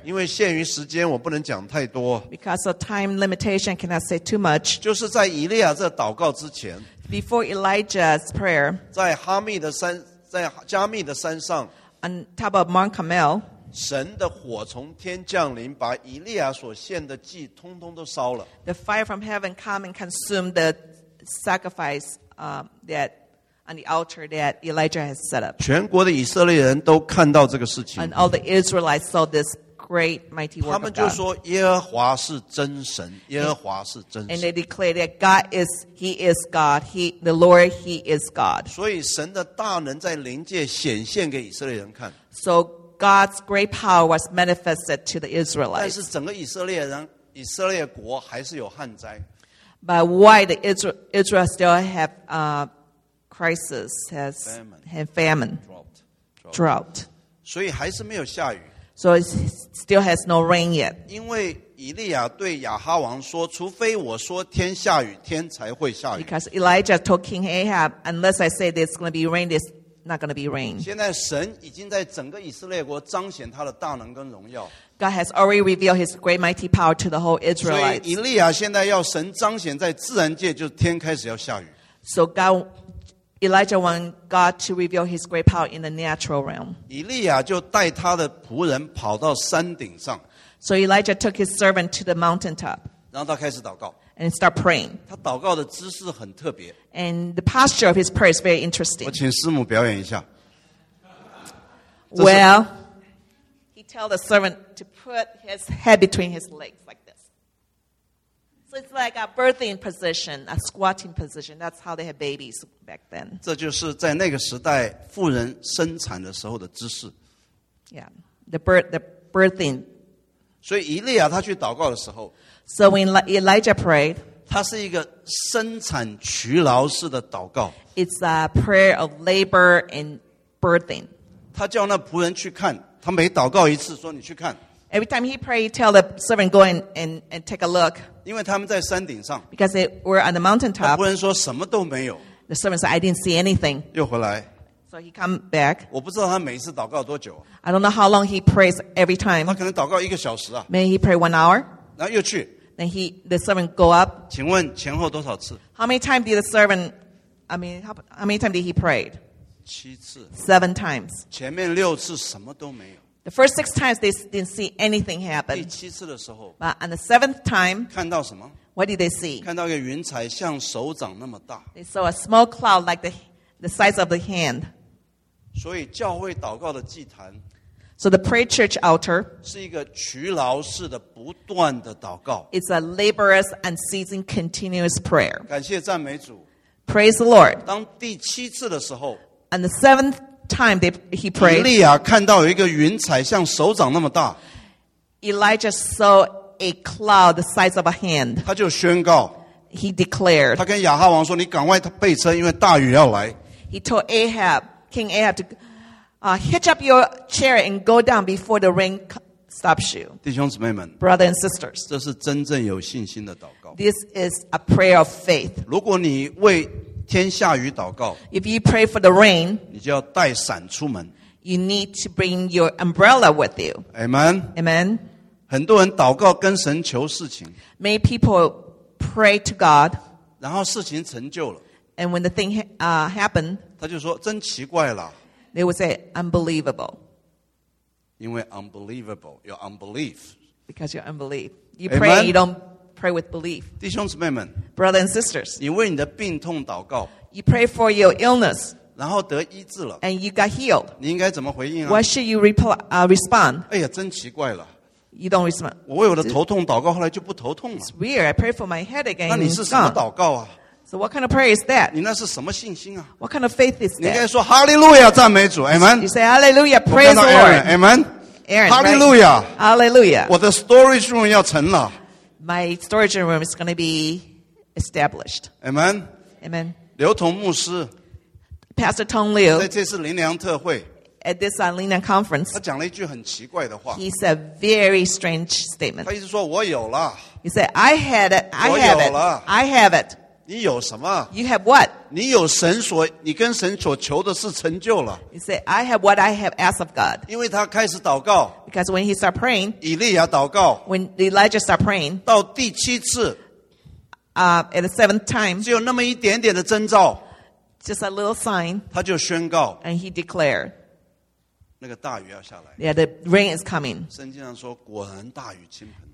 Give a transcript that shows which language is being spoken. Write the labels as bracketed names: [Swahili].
[Chinese] 因为限于时间我不能讲太多 [English] Because of time limitation cannot say too much [Chinese] 就是在以利亚这祷告之前 [English] Before Elijah's prayer [Chinese] 在哈密的山在加密的山上 [English] On top of Mount Carmel [Chinese] 神的火从天降临把以利亚所献的祭通通都烧了 [English] The fire from heaven come and consume the sacrifice thatOn the altar that Elijah has set up. [Chinese] 全国的以色列人都看到这个事情。 [English] And all the Israelites saw this great mighty work of God. [Chinese] 他们就说耶和华是真神，耶和华是真神。 [English] And they declared that God is, He is God, He, the Lord, He is God. [Chinese] 所以神的大能在灵界显现给以色列人看。 [English] So God's great power was manifested to the Israelites. [Chinese] 但是整个以色列人，以色列国还是有旱灾。 [English] But why the Israel still have crisis, has famine, drought. [Chinese] 所以还是没有下雨。 [English] So it still has no rain yet. [Chinese] 因为以利亚对亚哈王说，除非我说天下雨，天才会下雨。 [English] Because Elijah told King Ahab, unless I say there's going to be rain, there's not going to be rain. [Chinese] 现在神已经在整个以色列国彰显他的大能跟荣耀。 [English] God has already revealed his great mighty power to the whole Israelites. [Chinese] 所以以利亚现在要神彰显在自然界，就是天开始要下雨。 [English] So Elijah wants God to reveal his great power in the natural realm. [Chinese] 以利亚就带他的仆人跑到山顶上。 [English] So Elijah took his servant to the mountaintop. [Chinese] 然后他开始祷告。 [English] And start praying. [Chinese] 他祷告的姿势很特别。 [English] And the posture of his prayer is very interesting. [Chinese] 我请师母表演一下。 [English] Well, he tell the servant to put his head between his legs like this. So it's like a birthing position, a squatting position. That's how they had babies back then. [Chinese] 这就是在那个时代妇人生产的时候的姿势。 [English] Yeah, the birthing position. [Chinese] 所以以利亚他去祷告的时候 [English] So when Elijah prayed [Chinese] 他是一个生产劬劳式的祷告 [English] It's a prayer of labor and birthing [Chinese] 他叫那仆人去看他每祷告一次说你去看 [English] Every time he prayed he tell the servant go and take a look [Chinese] 因为他们在山顶上 [English] Because they were on the mountaintop [Chinese] 仆人说什么都没有 [English] The servant said I didn't see anything [Chinese] 又回来 [English] So he come back [Chinese] 我不知道他每一次祷告多久 [English] I don't know how long he prays every time. [Chinese] 他可能祷告一个小时啊。 [English] Maybe he pray 1 hour. [Chinese] 然后又去。 [English] Then he, the servant go up. [Chinese] 请问前后多少次？ [English] How many times did the servant, I mean, how many times did he pray? [Chinese] 七次。 [English] Seven times. [Chinese] 前面六次什么都没有。 [English] The first 6 times they didn't see anything happen. [Chinese] 第七次的时候。 [English] But on the 7th time. [Chinese] 看到什么？ [English] What did they see? [Chinese] 看到一个云彩像手掌那么大。 [English] They saw a small cloud like the size of the hand. [Chinese] 所以教会祷告的祭坛。 [English] So the prayer church altar [Chinese] 是一个劬劳式的不断的祷告 [English] It's a laborious and unceasing continuous prayer. [Chinese] 感谢赞美主 [English] Praise the Lord. [Chinese] 当第七次的时候 [English] And the seventh time he prayed. [Chinese] 以利亚看到有一个云彩像手掌那么大 [English] Elijah saw a cloud the size of a hand. [Chinese] 他就宣告 [English] He declared. [Chinese] 他跟亚哈王说你赶快备车因为大雨要来 [English] He told Ahab, King Ahab to hitch up your chair and go down before the rain stops you. [Chinese] 弟兄姊妹们 [English] Brothers and sisters. [Chinese] 这是真正有信心的祷告。 [English] This is a prayer of faith. [Chinese] 如果你为天下雨祷告 [English] If you pray for the rain, [Chinese] 你就要带伞出门。 [English] You need to bring your umbrella with you. Amen. Amen. [Chinese] 很多人祷告跟神求事情。 [English] Many people pray to God. [Chinese] 然后事情成就了。 [English] And when the thing happened, [Chinese] 他就说真奇怪了。 [English] They would say unbelievable. [Chinese] 因为 [English] unbelievable, your unbelief. Because your unbelief. You、 Amen? Pray, you don't pray with belief. [Chinese] 弟兄姊妹们 [English] Brothers and sisters. [Chinese] 你为你的病痛祷告 [English] You pray for your illness. [Chinese] 然后得医治了 [English] And you got healed. [Chinese] 你应该怎么回应啊 [English] What should you respond? [Chinese] 哎呀真奇怪了 [English] You don't respond. [Chinese] 我为我的头痛祷告后来就不头痛了 [English] It's weird, I pray for my headache and [Chinese] 那你是什么祷告啊 [English] So what kind of prayer is that? [Chinese] 你那是什么信心啊? [English] What kind of faith is that? [Chinese] 你应该说 Hallelujah, 赞美主, Amen. [English] You say Hallelujah, praise the Lord. Amen. Aaron, Hallelujah. Right? Hallelujah. [Chinese] 我的 [English] storage room [Chinese] 要成了。 [English] My storage room is going to be established. Amen. Amen. [Chinese] 刘同牧师 [English] Pastor Tong Liu. [Chinese] 在这次灵粮特会 [English] At this Linang conference. [Chinese] 他讲了一句很奇怪的话。 [English] He said very strange statement. [Chinese] 他一直说我有了。 [English] He said, I had it. I have it. [Chinese] 我有了。 [English] I have it. [Chinese] 你有什么 [English] You have what? [Chinese] 你有神所你跟神所求的是成就了 [English] You say, I have what I have asked of God. [Chinese] 因为他开始祷告 [English] Because when he start praying, [Chinese] 以利亚祷告 [English] When Elijah start praying, [Chinese] 到第七次 [English] at the seventh time, [Chinese] 只有那么一点点的征兆 [English] just a little sign, [Chinese] 他就宣告 [English] and he declared, [Chinese] 那个大雨要下来 [English] Yeah, the rain is coming. [Chinese] 圣经上说果然大雨倾盆